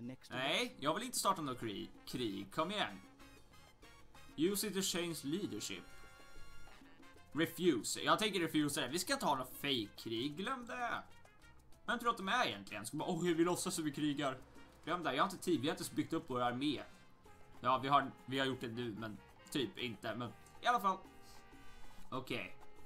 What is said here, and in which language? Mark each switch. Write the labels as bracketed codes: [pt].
[sv] Nej, jag vill inte starta något krig. Kom igen. [en] Use it to change leadership. Refuse. [sv] Jag tänker refuse det. Vi ska ta något fake krig. Glöm det. Vem tror att de är egentligen? Ska bara, oh, vi låtsas som vi krigar. Glöm det. Jag har inte tid. Vi har inte byggt upp vår armé. Ja, vi har gjort det nu, men typ inte, men i alla fall. Okej.